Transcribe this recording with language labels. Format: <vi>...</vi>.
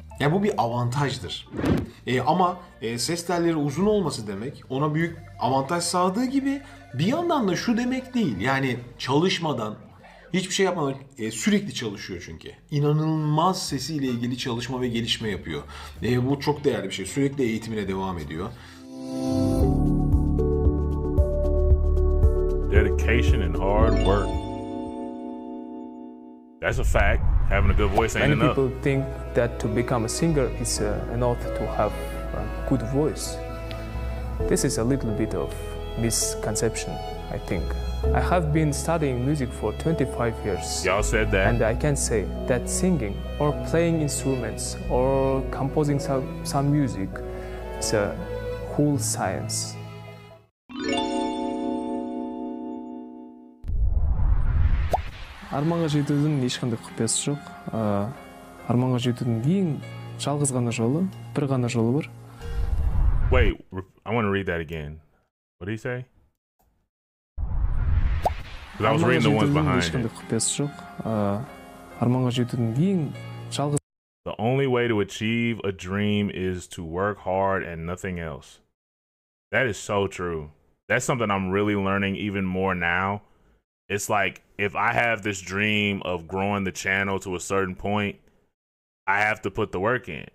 <tr>Yani bu bir avantajdır. Ama ses telleri uzun olması demek ona büyük avantaj sağladığı gibi bir yandan da şu demek değil. Yani çalışmadan, hiçbir şey yapmadan sürekli çalışıyor çünkü. İnanılmaz sesiyle ilgili çalışma ve gelişme yapıyor. Bu çok değerli bir şey. Sürekli eğitimine devam ediyor.</tr> <en>Dedication and hard work. That's a fact. Having a good voice ain't enough. Many people think that to become a singer is an oath to have a good voice. This is a little bit of misconception, I think. I have been studying music for 25 years. Y'all said that. And I can say that singing or playing instruments or composing some music is a whole science.</en> <ky>Арманга жетүүнүн эч кандай купясы жок. Арманга жетүүнүн эң жалгыз гана жолу, бир гана жолу бар.</ky> <en>Wait, I want to read that again. What did he say? Because I was reading the ones behind.</en> <ky>Арманга жетүүнүн эч кандай купясы жок. Арманга жетүүнүн эң жалгыз.</ky> <en>The only way to achieve a dream is to work hard and nothing else. That is so true. That's something I'm really learning even more now. It's like, if I have this dream of growing the channel to a certain point, I have to put the work in.</en>